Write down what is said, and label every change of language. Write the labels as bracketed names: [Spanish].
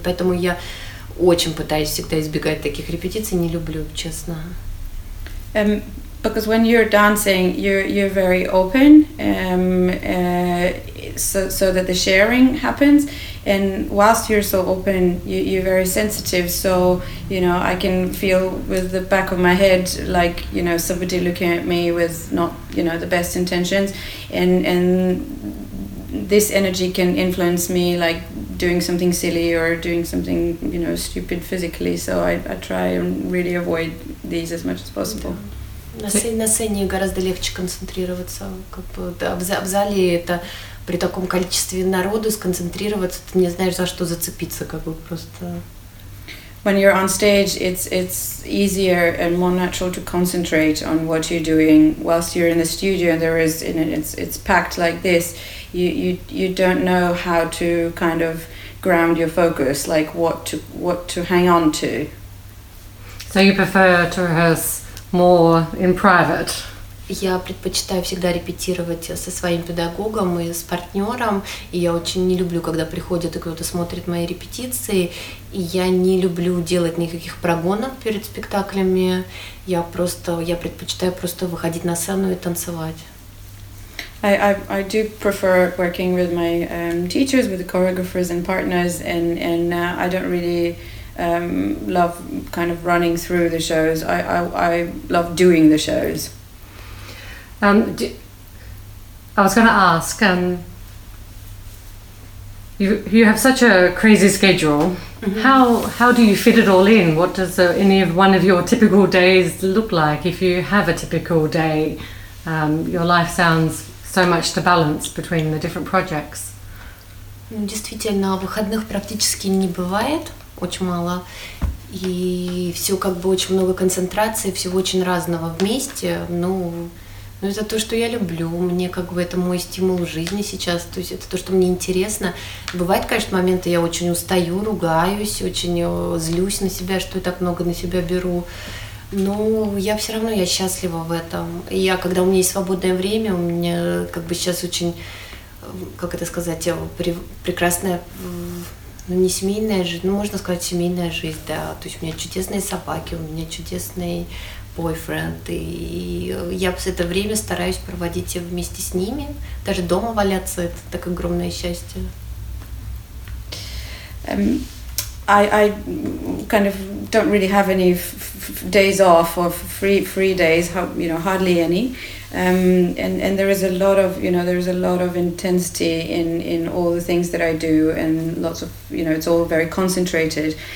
[Russian] Поэтому я очень пытаюсь всегда избегать таких репетиций, не люблю, честно. [English] Because when you're dancing, you're very open, so that the sharing happens. And whilst you're so open, you're very sensitive. So, you know, I can feel with the back of my head, like, you know, somebody looking at me with not, you know, the best intentions. And this energy can influence me, like doing something silly or doing something, you know, stupid physically. So I try and really avoid these as much as possible. Yeah. [Russian] На сцене гораздо легче концентрироваться, как бы, да, в зале это при таком количестве народу сконцентрироваться, ты не знаешь, за что зацепиться, как бы просто. [English] When you're on stage, it's easier and more natural to concentrate on what you're doing. Whilst you're in the studio, there is, in it, it's packed like this. You don't know how to kind of ground your focus, like what to hang on to. So you prefer to rehearse more in private. [Russian] Я предпочитаю всегда репетировать со своим педагогом и с партнером, и я очень не люблю, когда приходит и кто-то смотрит мои репетиции, и я не люблю делать никаких прогонов перед спектаклями. Я предпочитаю просто выходить на сцену и танцевать. [English] I do prefer working with my teachers, with the choreographers and partners, and I don't really love kind of running through the shows. I love doing the shows. I was going to ask, You have such a crazy schedule. Mm-hmm. How do you fit it all in? What does any of one of your typical days look like? If you have a typical day, your life sounds so much to balance between the different projects. [Russian] Действительно, выходных практически не бывает, очень мало. И все как бы очень много концентрации, всего очень разного вместе. Ну, это то, что я люблю. Мне как бы это мой стимул жизни сейчас. То есть это то, что мне интересно. Бывают, конечно, моменты, я очень устаю, ругаюсь, очень злюсь на себя, что я так много на себя беру. Но я все равно, я счастлива в этом. И я, когда у меня есть свободное время, у меня как бы сейчас очень, как это сказать, прекрасная, ну, не семейная жизнь, ну, можно сказать, семейная жизнь, да. То есть у меня чудесные собаки, у меня чудесные... бойфренд, и я все это время стараюсь проводить вместе с ними, даже дома валяться, это так огромное счастье. [English] I kind of don't really have any days off or free days, you know, hardly any. And there is a lot of, you know, there is a lot of intensity in all the things that I do, and lots of, you know, it's all very concentrated.